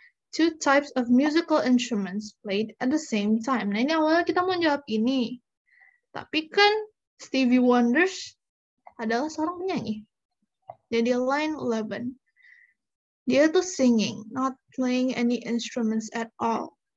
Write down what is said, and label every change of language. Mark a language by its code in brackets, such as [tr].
[en] Two types of musical instruments played at the same time. [id] Nah, ini awalnya kita mau jawab ini. Tapi kan Stevie Wonder adalah seorang penyanyi. Jadi line 11. Dia tuh [en] singing, not playing any instruments at all.